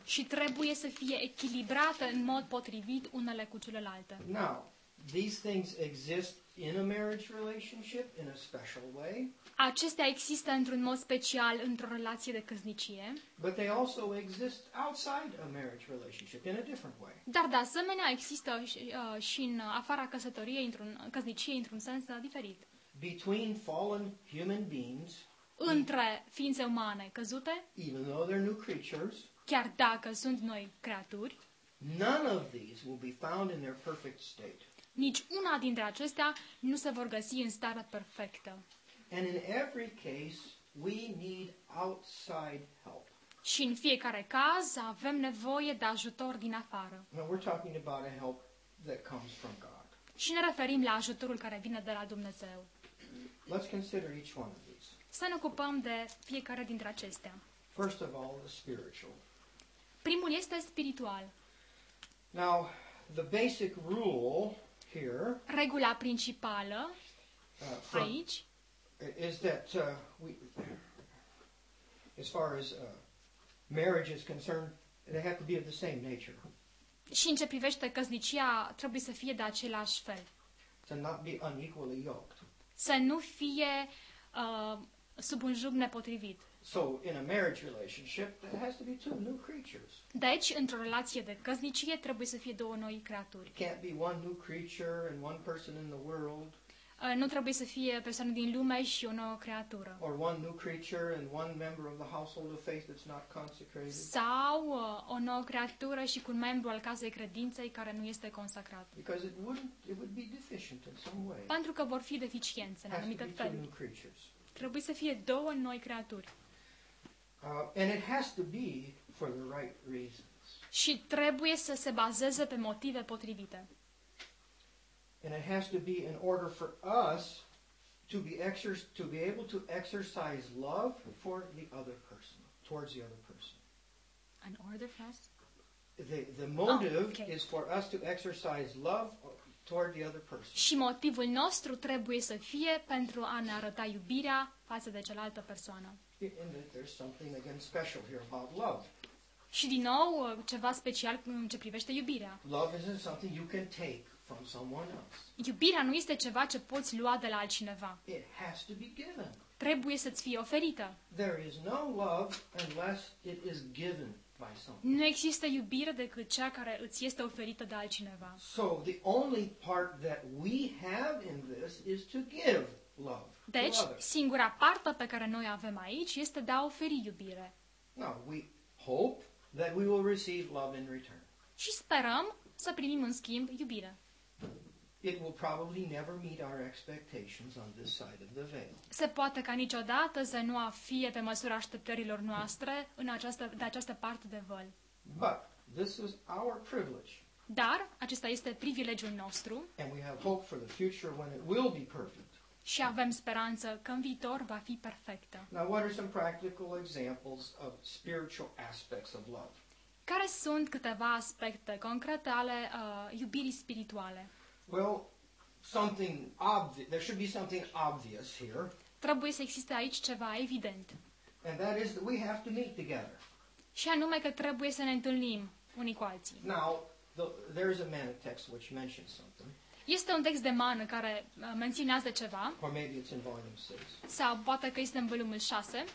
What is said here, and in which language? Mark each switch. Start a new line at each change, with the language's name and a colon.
Romanian: Și trebuie să fie echilibrate în mod potrivit unele cu celelalte.
English: Now, these things exist in a marriage relationship in a special way.
Romanian: Acestea există într-un mod special într-o relație de căsnicie.
English: But they also exist outside a marriage relationship in a different way.
Romanian: Dar de asemenea există și în afara căsătoriei într-un căsnicie într-un sens diferit.
English: Between fallen human beings.
Romanian: Între ființe umane căzute.
English: Even though they're new creatures.
Romanian: Chiar dacă sunt noi creaturi.
English: None of these will be found in their perfect state.
Romanian: Nici una dintre acestea nu se vor găsi în starea perfectă.
English: And in every case, we need outside help.
Romanian: Și în fiecare caz avem nevoie de ajutor din afară.
English: Now we're talking about a help that comes from God.
Romanian: Și ne referim la ajutorul care vine de la Dumnezeu.
English: Let's consider each one of these.
Romanian: Să ne ocupăm de fiecare dintre acestea.
English: First of all, the spiritual.
Romanian: Primul este spiritual.
English: Now, the basic rule here.
Romanian: Regula principală aici.
English: Is that as far as marriage is concerned, they have to be of the same nature.
Romanian: Și în ce privește căsnicia, trebuie să fie de același fel.
English: To not be unequally yoked.
Romanian: să nu fie sub un jug nepotrivit.
English: So in a marriage relationship there has to be two new creatures.
Romanian: Deci într-o relație de căsnicie trebuie să fie două noi creaturi.
English: Can't be one new creature and one person in the world.
Romanian: Nu trebuie să fie o persoană din lume și o nouă creatură.
English: Or one new creature and one member of the household of faith that's not consecrated.
Romanian: Sau o nouă creatură și cu un membru al casei credinței care nu este consacrat.
English: Because it would be deficient in some way.
Romanian: Pentru că vor fi deficiențe în anumită fel.
English: Two new creatures.
Romanian: Trebuie să fie două noi creaturi.
English: And it has to be for the right reasons.
Romanian: Și trebuie să se bazeze pe motive potrivite.
English: And it has to be in order for us to be able to exercise love for the other person, towards the other person. An order for us? The motive is for us to exercise love toward the other person.
Romanian: Și motivul nostru trebuie să fie pentru a ne arăta iubirea față de cealaltă persoană.
English: And there's something again special here about love.
Romanian: Și din nou ceva special în ce privește iubirea.
English: Love isn't something you can take from someone else.
Romanian: Iubirea nu este ceva ce poți lua de la altcineva.
English: It has to be given.
Romanian: Trebuie să-ți fie oferită.
English: There is no love unless it is given by someone.
Romanian: Nu există iubire decât cea care îți este oferită de altcineva.
English: So the only part that we have in this is to give love.
Romanian: Deci singura parte pe care noi avem aici este de a oferi iubire.
English: Now we hope that we will receive love in return.
Romanian: Și sperăm să primim în schimb iubire.
English: It will probably never meet our expectations on this side of the veil.
Romanian: Se poate ca niciodată să nu fie pe măsura așteptărilor noastre în această parte de văl.
English: But this is our privilege.
Romanian: Dar acesta este privilegiul nostru.
English: And we have hope for the future when it will be perfect.
Romanian: Și avem speranță că în viitor va fi perfectă.
English: Now what are some practical examples of spiritual aspects of love?
Romanian: Care sunt câteva aspecte concrete ale iubirii spirituale?
English: Well, something obvious. There should be something obvious here.
Romanian: Trebuie să existe aici ceva evident.
English: And that is that we have to meet together.
Romanian: Și anume că trebuie să ne întâlnim unii cu alții.
English: Now, there is a manna text which mentions something.
Romanian: Este un text de mană care menționează ceva.
English: Or maybe it's in volume 6.
Romanian: Sau poate că este în volumul 6.